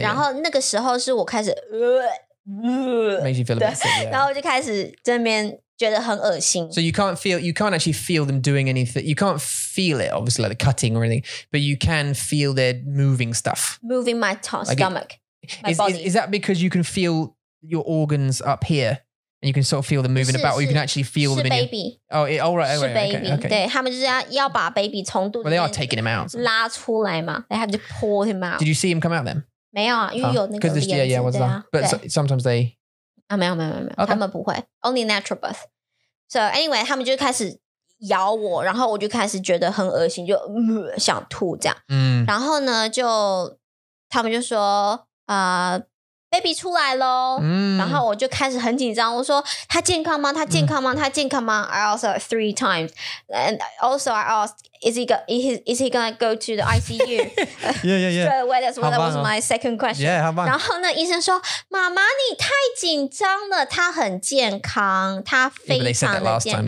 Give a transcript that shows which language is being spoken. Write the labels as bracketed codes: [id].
[zh] 然后那个时候是我开始。 [en] Makes you feel a bit sick, yeah. [zh] 然后就开始这边觉得很恶心。 [en] So you can't actually feel them doing anything. You can't feel it, obviously, like the cutting or anything, but you can feel they're moving stuff. Moving my stomach, my body. Is that because you can feel your organs up here and you can sort of feel them moving [zh] 是, [en] about, or you can actually feel them in baby. Your... Oh, it, oh, right, oh, right, baby. Okay, okay. [zh] 对，他们就是要把 baby 从肚子。 [en] Well, they are taking him out. [zh] 拉出来嘛, [en] they have to pull him out. Did you see him come out then? [zh] 没有啊，因为有那个帘子。 [en] Yeah, yeah, what's that? But sometimes they... [zh] 啊，没有没有没有没有，他们不会。 [en] Only natural birth. So anyway, [zh] 他们就开始咬我，然后我就开始觉得很恶心，就想吐这样。嗯。然后呢，就他们就说，baby 出来咯。嗯。然后我就开始很紧张，我说，他健康吗？他健康吗？他健康吗？ [en] I also three times. And also I asked... Is he going to go to the ICU? Yeah, yeah, yeah. Straight away, that's what that was my second question. Yeah, how about? [zh] 然后呢，医生说，妈妈，你太紧张了，她很健康，她非常的健康。